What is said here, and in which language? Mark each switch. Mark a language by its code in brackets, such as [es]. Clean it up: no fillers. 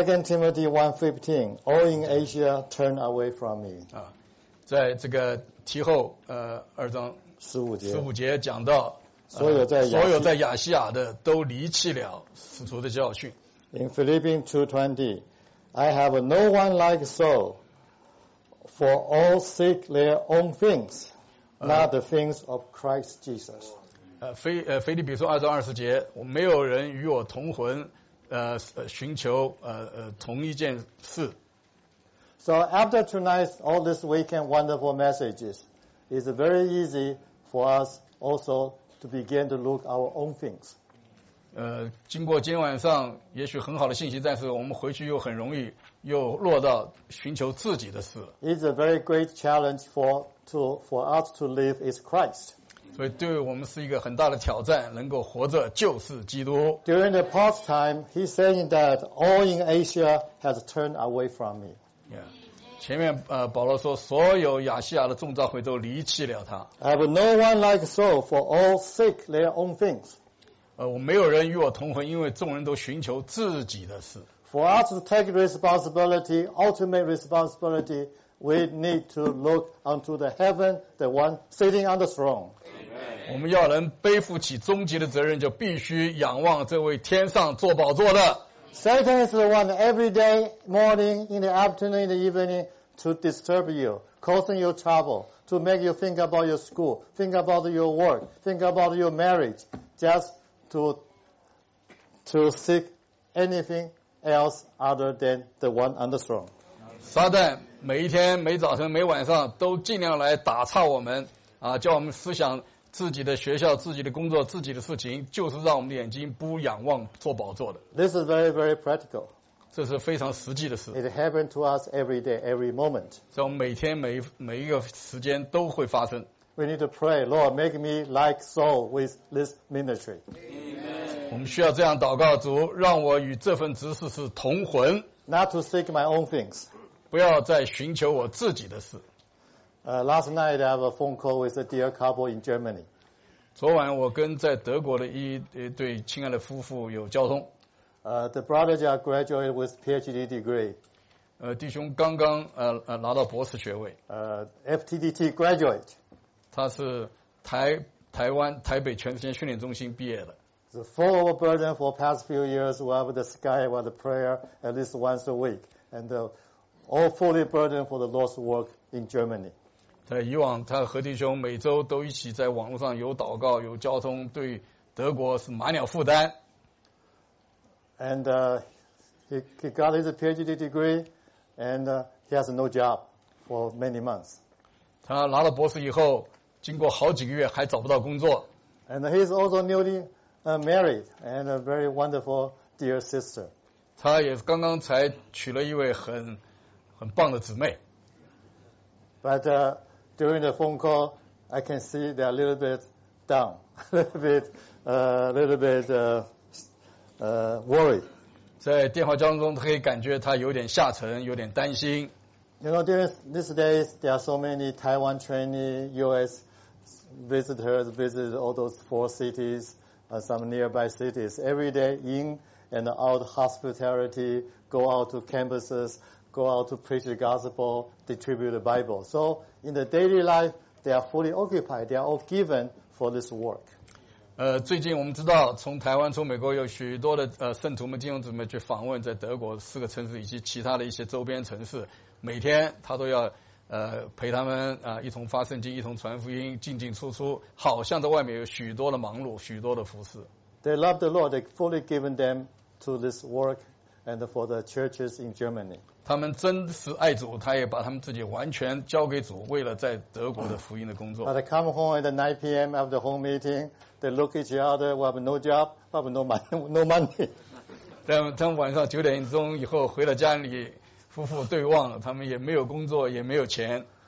[en] In 2 Timothy 1:15, all in Asia turn away from me. 啊， [zh] 在这个提后二章十五节讲到，所有在亚细亚的都离弃了使徒的教训。 [en] In Philippians 2:20, I have no one like Saul, for all seek their own things, not the things of Christ Jesus. [zh] 腓立比书二章二十节，我没有人与我同魂，寻求同一件事。 [en] So after tonight, all this weekend wonderful messages, it's very easy for us also to begin to look our own things. [zh] 经过今晚上也许很好的信息，但是我们回去又很容易又落到寻求自己的事。 [en] It's a very great challenge for us to live is Christ. [zh] 所以对我们是一个很大的挑战，能够活着就是基督。 [en] During the past time, he saying that all in Asia has turned away from me. Yeah. [zh] 前面保罗说所有亚细亚的众召会都离弃了他。 [en] I have no one like Saul, for all seek their own things. [zh] 我没有人与我同魂，因为众人都寻求自己的事。 [en] For us to take responsibility, ultimate responsibility, we need to look unto the heaven, the one sitting on the throne. Amen. [zh] 我们要能背负起终极的责任，就必须仰望这位天上坐宝座的。 [en] Satan is the one every day, morning, in the afternoon, in the evening, to disturb you, causing you trouble, to make you think about your school, think about your work, think about your marriage, just to seek anything else other than the one on the throne. [zh] 撒旦每一天每早晨每晚上都尽量来打岔我们叫我们思想自己的学校自己的工作自己的事情，就是让我们的眼睛不仰望坐宝座的。 [en] This is very very practical. [zh] 这是非常实际的事。 [en] It happens to us every day, every moment. [zh] 所以我们每天每一个时间都会发生。 [en] We need to pray, Lord, make me like Saul with this ministry. Amen. [zh] 我们需要这样祷告，主，让我与这份职事是同魂。 [en] Not to seek my own things. [zh] 不要再寻求我自己的事。 [en] Last night I have a phone call with a dear couple in Germany. [zh] 昨晚我跟在德国的一对亲爱的夫妇有交通。 [en] The brother just graduated with PhD degree. [zh] 弟兄刚刚拿到博士学位。 [en] FTDT graduate. [zh] 他是台湾台北全职训练中心毕业的。 [en] The full of a burden for the past few years, we have the sky, we have the prayer at least once a week, and all fully burdened for the Lord's work in Germany. [zh] 在以往，他和弟兄每周都一起在网络上有祷告、有交通，对德国是满了负担。 [en] And he got his PhD degree, and he has no job for many months. [zh] 他拿了博士以后。经过好几个月还找不到工作。 [en] And he's also newly married and a very wonderful dear sister. [zh] 他也刚刚才娶了一位很棒的姊妹。 [en] But during the phone call, I can see they're a little bit down, a little bit worried. [zh] 在电话交通中，他可以感觉他有点下沉，有点担心。 [en] You know, during these days, there are so many Taiwan trainees, U.S. visitors visit all those four cities, some nearby cities. Every day in and out hospitality, go out to campuses, go out to preach the gospel, distribute the Bible. So in the daily life, they are fully occupied. They are all given for this work. [zh] 最近我们知道从台湾从美国有许多的圣徒们弟兄姊妹去访问在德国四个城市以及其他的一些周边城市，每天他都要陪他们一同发圣经，一同传福音，进进出出，好像在外面有许多的忙碌，许多的服事。 [en] They love the Lord. They fully given them to this work and for the churches in Germany. [zh] 他们真是爱主，他也把他们自己完全交给主，为了在德国的福音的工作。 [en] But they come home at 9 p.m. after the home meeting. They look each other. We have no job. We have no money. [zh] 他们晚上九点钟以后回了家里。夫妇对望了，他们也没有工作，也没有钱。